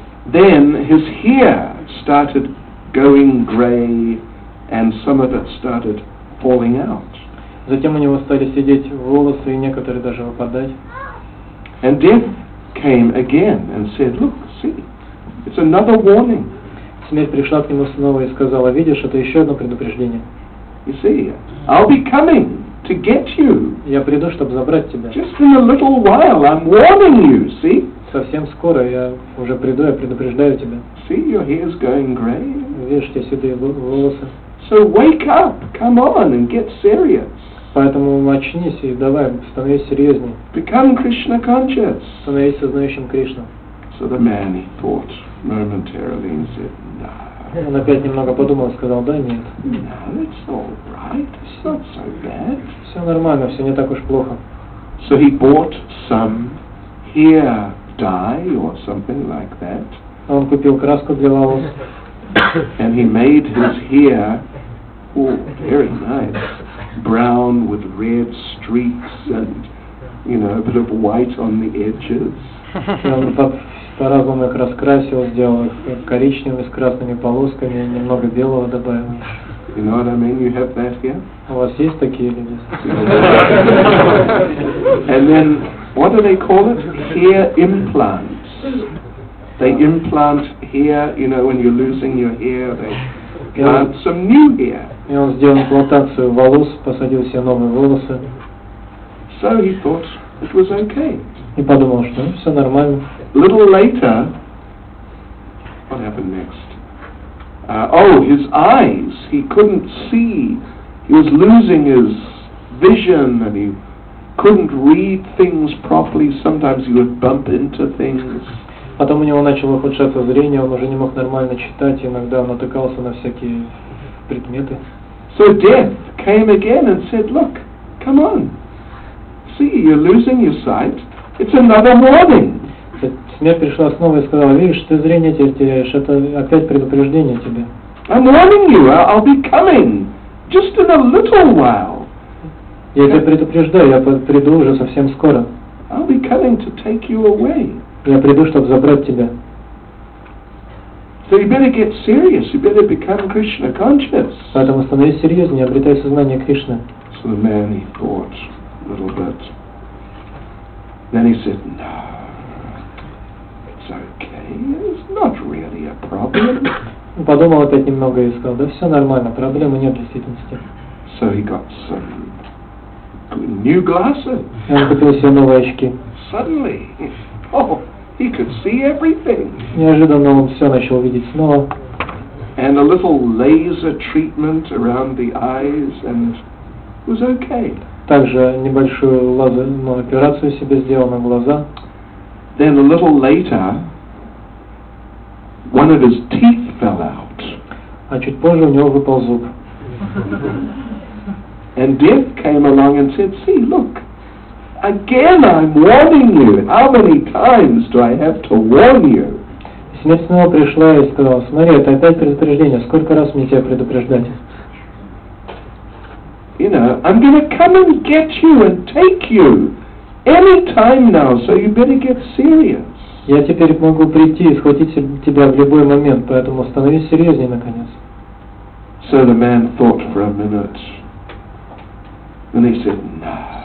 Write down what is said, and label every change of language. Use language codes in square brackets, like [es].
[en] Then his hair started going gray. And some of it started falling out. [ru] Затем у него стали сидеть волосы и некоторые даже выпадать. [en] And death came again and said, look, see, it's another warning. [ru] Смерть пришла к нему снова и сказала, видишь, это еще одно предупреждение. [en] You see, I'll be coming to get you. [ru] Я приду, чтобы забрать тебя. [en] Just in a little while, I'm warning you, see. [ru] Совсем скоро я уже приду, я предупреждаю тебя. [en] See, your hair's going gray. [ru] Видишь, тебе седые волосы. [en] So wake up, come on and get serious. [ru] Поэтому очнись и давай, становись серьезней. [en] Become Krishna conscious. [ru] Становись сознающим Кришну. [en] So the man he thought momentarily and said, no. [ru] Он опять немного подумал и сказал, да, нет. [en] No, it's alright, it's not so bad. [ru] Все нормально, все не так уж плохо. [en] So he bought some hair dye or something like that. [ru] Он купил краску для волос. [en] And he made his hair, oh, very nice, brown with red streaks and, you know, a bit of white on the edges. [ru] Он по-разному их раскрасил, сделал их коричневыми с красными полосками, немного белого добавил. [en] You know what I mean? You have that here? [ru] У вас есть такие люди? [en] And then, what do they call it? Hair implants. They implant hair, you know, when you're losing your hair, they plant some new hair. [ru] И он сделал имплантацию волос, посадил себе новые волосы. [en] So he thought it was okay. [ru] И подумал, что все нормально. [en] Little later, what happened next? His eyes, he couldn't see. He was losing his vision and he couldn't read things properly. Sometimes he would bump into things. [ru] Потом у него начало ухудшаться зрение, он уже не мог нормально читать, иногда он натыкался на всякие предметы. [en] So death came again and said, look, come on, see, you're losing your sight, it's another warning. [ru] Смерть пришла снова и сказала, видишь, ты зрение теперь теряешь, это опять предупреждение тебе. [en] I'm warning you, I'll be coming, just in a little while. [ru] Я тебя предупреждаю, я приду уже совсем скоро. [en] I'll be coming to take you away. [ru] Я приду, чтобы забрать тебя. [en] So you better get serious. You better become Krishna conscious. [ru] Поэтому становись серьезнее, обретай сознание Кришны. [en] So the man he thought a little bit. Then he said, no, it's okay. It's not really a problem. [ru] Подумал опять немного и сказал, да все нормально, проблемы нет в действительности. [en] So he got some new glasses. [ru] И он купил себе новые очки. [en] Suddenly, oh. He could see everything. [ru] Неожиданно он все начал видеть снова. [en] And a little laser treatment around the eyes, and it was okay. [ru] Также небольшую лазерную операцию себе сделал на глаза. [en] Then a little later, one of his teeth fell out. [ru] А чуть позже у него выпал зуб. [en] And death came along and said, "See, look." Again, I'm warning you. How many times do I have to warn you? [ru] Смерть снова пришла и сказала: "Смотри, это опять предупреждение. Сколько раз мне тебя предупреждать?" [en] You know, I'm going to come and get you and take you any time now. So you better get serious. [ru] Я теперь могу прийти и схватить тебя в любой момент, поэтому становись серьезнее наконец. [en] So the man thought for a minute, and he said, "No."